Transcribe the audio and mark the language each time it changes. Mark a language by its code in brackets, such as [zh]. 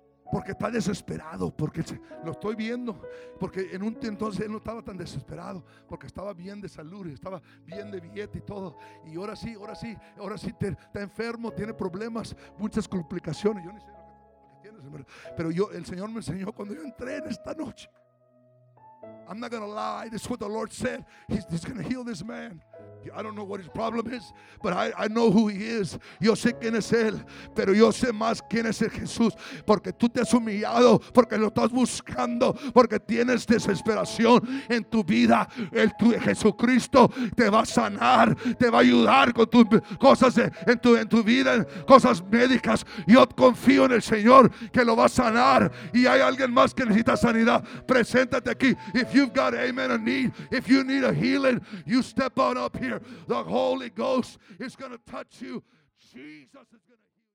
[es] Porque está desesperado, porque lo estoy viendo, porque en un entonces él no estaba tan desesperado, porque estaba bien de salud, estaba bien de billete y todo, y ahora sí, está enfermo, tiene problemas, muchas complicaciones, yo ni sé lo que tiene, pero yo, el Señor me enseñó cuando yo entré en esta noche. [en] I'm not gonna lie, this is what the Lord said, he's gonna heal this man. I don't know what his problem is, but I know who he is. [es] Yo sé quién es él, pero yo sé más quién es el Jesús, porque tú te has humillado, porque lo estás buscando, porque tienes desesperación en tu vida. El tu Jesucristo te va a sanar, te va a ayudar con tus cosas en tu vida, cosas médicas. Yo confío en el Señor que lo va a sanar. Y hay alguien más que necesita sanidad, preséntate aquí. [en] If you've got, amen, a need, if you need a healing, you step on up here. The Holy Ghost is going to touch you. Jesus is going to